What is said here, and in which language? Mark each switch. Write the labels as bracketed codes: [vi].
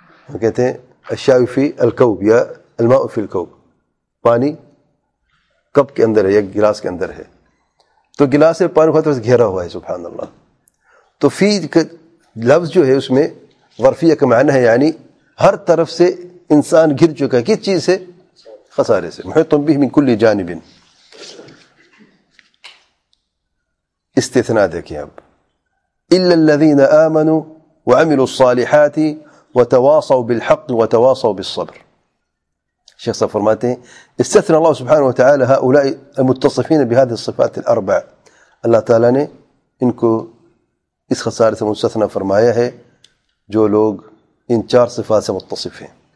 [ur] ہم کہتے ہیں [ar] الشیء فی الکوب، یا الماء فی الکوب، [ur] پانی کپ کے اندر ہے یا گلاس کے اندر ہے. تو گلاس سے پانی ہر طرف سے گھیرا ہوا ہے سبحان اللہ. تو فی لفظ جو ہے اس میں ظرفیہ کا معنی ہے، یعنی ہر طرف سے انسان گھر چکا ہے. کس چیز سے؟ خسارے سے. [ar] محیطم بھی من کل جانب، [ur] استثناء دیکھیں اب، [ar] الا الذین آمنوا وعملوا الصالحات وتواصوا بالحق وتواصوا بالصبر. [ur] شیخ صاحب فرماتے ہیں [ar] استثنى اللہ سبحانہ وتعالی هؤلاء المتصفین بهذه الصفات الاربع، [ur] اللہ تعالی نے ان کو اس خسارے سے مستثنى فرمایا ہے جو لوگ ان چار صفات سے متصف ہیں.